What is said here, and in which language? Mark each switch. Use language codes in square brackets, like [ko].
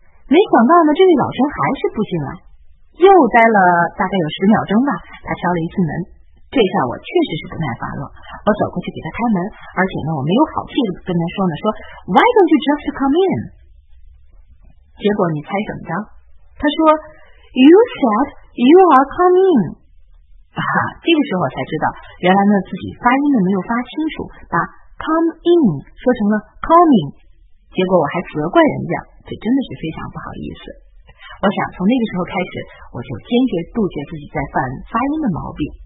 [zh] 没想到呢，这位老陈还是不进来，又待了大概有十秒钟吧，他敲了一次门。这下我确实是不耐烦了，我走过去给他开门，而且呢，我没有好气的跟他说呢，说 [en] "Why don't you just come in？" [zh] 结果你猜怎么着？他说 [en] "You said you are coming。" [zh] 啊，这个时候我才知道，原来呢自己发音的没有发清楚，把 "come in" 说成了 "coming"， 结果我还责怪人家，这真的是非常不好意思。我想从那个时候开始，我就坚决杜绝自己在犯发音的毛病。